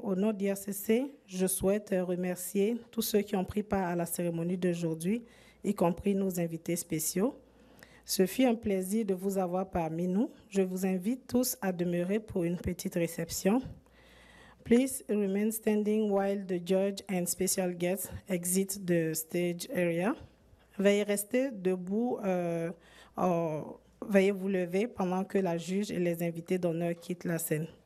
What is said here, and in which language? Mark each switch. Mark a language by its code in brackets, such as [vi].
[fr] Au nom d'IRCC, je souhaite remercier tous ceux qui ont pris part à la cérémonie d'aujourd'hui, y compris nos invités spéciaux. Ce fut un plaisir de vous avoir parmi nous. Je vous invite tous à demeurer pour une petite réception. [en] Please remain standing while the judge and special guests exit the stage area. [fr] Veuillez rester debout, veuillez vous lever pendant que la juge et les invités d'honneur quittent la scène.